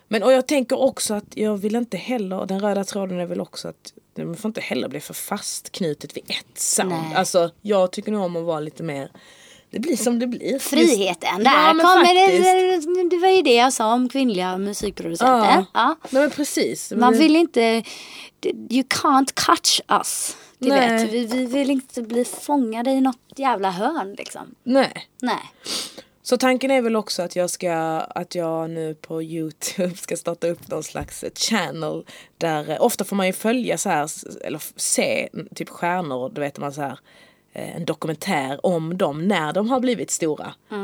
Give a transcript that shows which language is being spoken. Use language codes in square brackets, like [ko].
[sv] Men, och jag tänker också att jag vill inte heller, den röda tråden är väl också att man får inte heller bli för fastknutet vid ett sound. Nej. Alltså, jag tycker nog om att vara lite mer, det blir som det blir. Friheten, där ja, kommer det var ju det jag sa om kvinnliga musikproducenter. Ja, ja. Nej, men precis. Man vill inte, [en] you can't catch us. [sv] Vi vill inte bli fångade i något jävla hörn liksom. Nej. Nej. Så tanken är väl också att jag ska, att jag nu på YouTube ska starta upp någon slags channel där ofta får man ju följa så här, eller se typ stjärnor, du vet, man så här, en dokumentär om dem när de har blivit stora. Mm.